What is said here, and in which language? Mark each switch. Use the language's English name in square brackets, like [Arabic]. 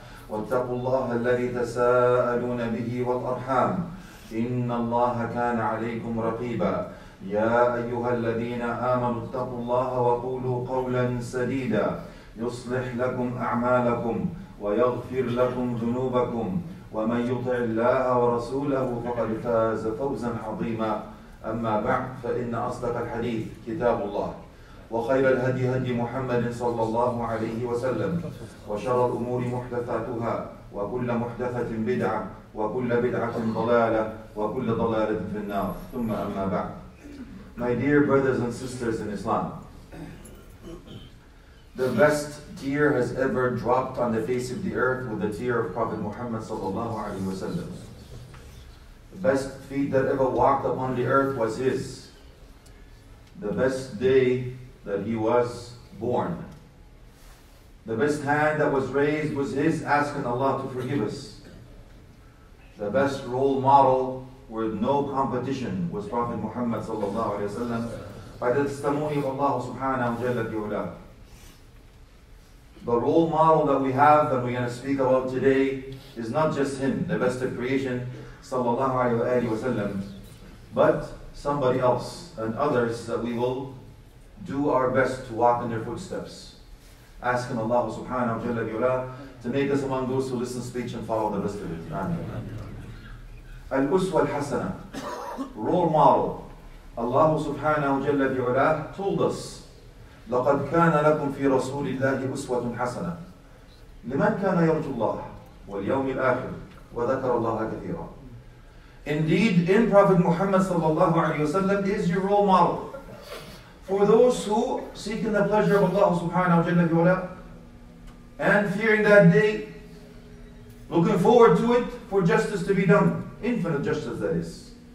[Arabic] واتقوا الله الذي تساءلون به والأرحام إن الله كان عليكم رقيبا يا أيها الذين آمنوا اتقوا الله وقولوا قولا سديدا يصلح لكم أعمالكم ويغفر لكم ذنوبكم ومن يطع الله ورسوله فقد فاز فوزا عظيما أما بعد فإن أصدق الحديث كتاب الله وخير الهدي هدي محمد صلى الله عليه وسلم وشر الأمور محدثاتها وكل محدثة بدعة وكل بدعة ضلالة وكل ضلالة في النار ثم أما بعد. [English] My dear brothers and sisters in Islam, the best tear has ever dropped on the face of the earth with the tear of Prophet Muhammad sallallahu alaihi wasallam. The best feet that ever walked upon the earth was his. The best day that he was born. The best hand that was raised was his, asking Allah to forgive us. The best role model with no competition was Prophet Muhammad sallallahu alaihi wasallam, by the testimony of Allah subhanahu wa jalla fi ula. The role model that we have, that we're going to speak about today, is not just him, the best of creation, sallallahu alayhi wa sallam, but somebody else and others that we will do our best to walk in their footsteps. Asking Allah subhanahu wa jalla bi ula to make us among those who listen speech and follow the rest of it. Amen. Al-Uswa al-Hasana, role model. Allah subhanahu wa jalla bi ula told us, [Arabic] لَقَدْ كَانَ لَكُمْ فِي رَسُولِ اللَّهِ أُسْوَةٌ حَسَنَةٌ لِمَنْ كَانَ يَرْجُ اللَّهِ وَالْيَوْمِ الْآخِرِ وَذَكَرَ اللَّهَ كَثِيرًا. [English] Indeed, in Prophet Muhammad sallallahu alayhi wa sallam is your role model for those who seek in the pleasure of Allah subhanahu wa jalla bi ula and fearing that day, looking forward to it for justice to be done, infinite justice that is.